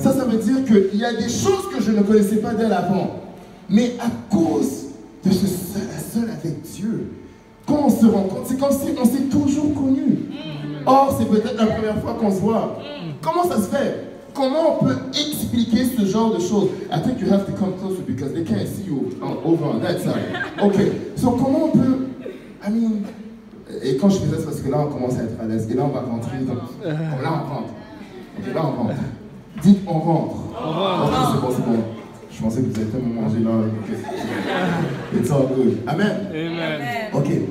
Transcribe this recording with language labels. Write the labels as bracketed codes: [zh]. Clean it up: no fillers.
[fr] Ça veut dire qu'il y a des choses que je ne connaissais pas d'elle avant. Mais à cause de ce seul à seul avec Dieu, quand on se rencontre, c'est comme si on s'est toujours connu. Or, c'est peut-être la première fois qu'on se voit. Comment ça se fait? Comment on peut expliquer ce genre de choses? [en] I think you have to come closer because they can't see you over on that side. Ok. So, [fr] comment on peut... [en] I mean... [fr] Et quand je fais ça, c'est parce que là, on commence à être à l'aise. Et là, on va rentrer. Donc, là, on rentre. Et là, on rentre. Dites, on rentre. Oh, okay, c'est bon. Je pensais que vous alliez tellement manger là. [en] Okay. It's all good. Amen. Amen. OK.